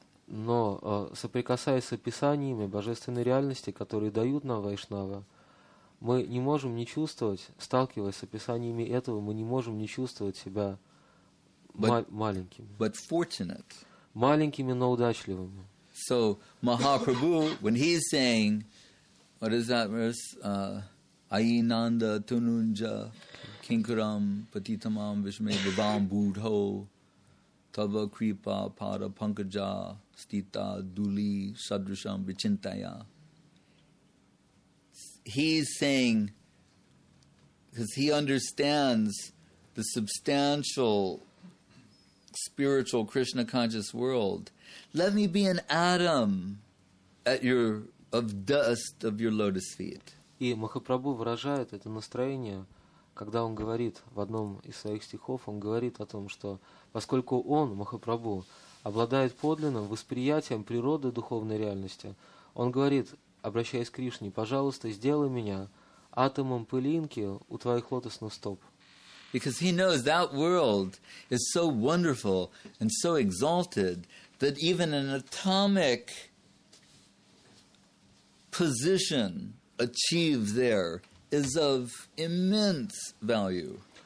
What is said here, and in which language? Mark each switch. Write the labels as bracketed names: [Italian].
[Russian] Но соприкасаясь с описаниями божественной реальности, которые дают нам Вайшнава, мы не можем не чувствовать, сталкиваясь с описаниями этого, мы не можем не чувствовать себя маленькими. [English] But fortunate. [Russian] Маленькими, но удачливыми. [English] So, Mahaprabhu, when he's saying, what is that verse? [Sanskrit] Ainanda Tununja Kinkuram Patitamam Vishme Vibam Budho Tava Kripa Pada Pankaja Stita Duli Sadrusham Vichintaya. [English] He's saying, because he understands the substantial spiritual Krishna conscious world, let me be an atom at your of dust of your lotus feet. [Russian] И Махапрабху выражает это настроение, когда он говорит в одном из своих стихов, он говорит о том, что поскольку он, Махапрабху, обладает подлинным восприятием природы духовной реальности, он говорит, обращаясь к Кришне, пожалуйста, сделай меня атомом пылинки у твоих лотосных стоп. [English] Because he knows that world is so wonderful and so exalted that even an atomic position achieved there is of immense value.